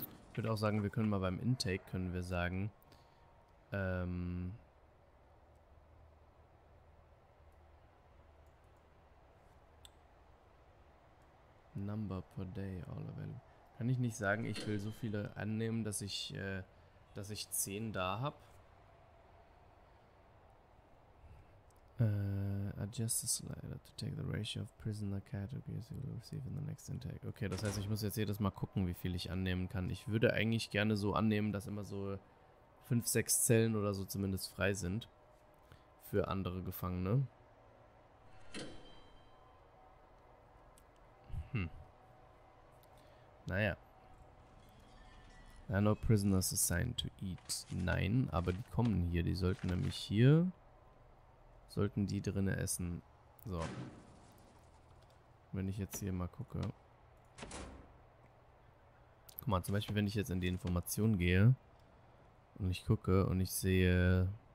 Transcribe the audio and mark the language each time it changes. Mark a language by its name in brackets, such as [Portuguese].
[German] Ich würde auch sagen, wir können mal beim Intake, können wir sagen, [English] Number per day, all available. [German] Kann ich nicht sagen, ich will so viele annehmen, dass ich 10 da habe. [English] Adjust the slider to take the ratio of prisoner categories you will receive in the next intake. [German] Okay, das heißt, ich muss jetzt jedes Mal gucken, wie viel ich annehmen kann. Ich würde eigentlich gerne so annehmen, dass immer so 5, 6 Zellen oder so zumindest frei sind für andere Gefangene. Naja. [English] There are no prisoners assigned to eat. [German] Nein, aber die kommen hier. Die sollten nämlich hier... Sollten die drinnen essen. So. Wenn ich jetzt hier mal gucke. Guck mal, zum Beispiel, wenn ich jetzt in die Information gehe und ich gucke und ich sehe...